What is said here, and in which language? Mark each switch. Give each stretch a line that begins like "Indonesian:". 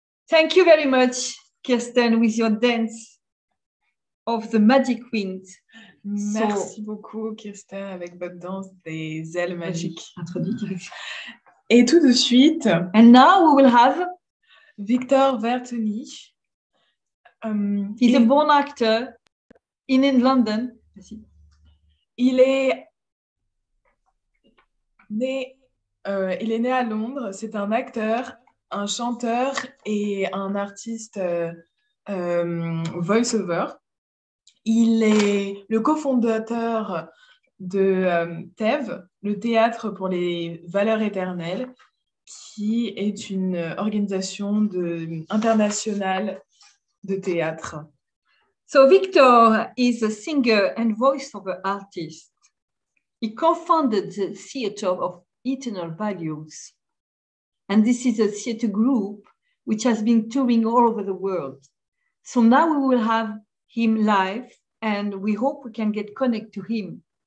English: Thank you very much, Kirsten, with your dance of the magic wind.
French: Merci beaucoup, Kirsten, avec votre danse des ailes magiques. Introductrice. Et tout de suite.
English: And now we will have Victor Vertoni. He's a born actor in London.
French: Il est né à Londres. C'est un acteur, un chanteur et un artiste voice-over. Il est le cofondateur de TEV, le Théâtre pour les Valeurs Éternelles, qui est une organisation internationale de théâtre.
English: So Victor is a singer and voice-over artist. He co-founded the Theatre of Eternal Values. And this is a theater group which has been touring all over the world. So now we will have him live and we hope we can get connect to him.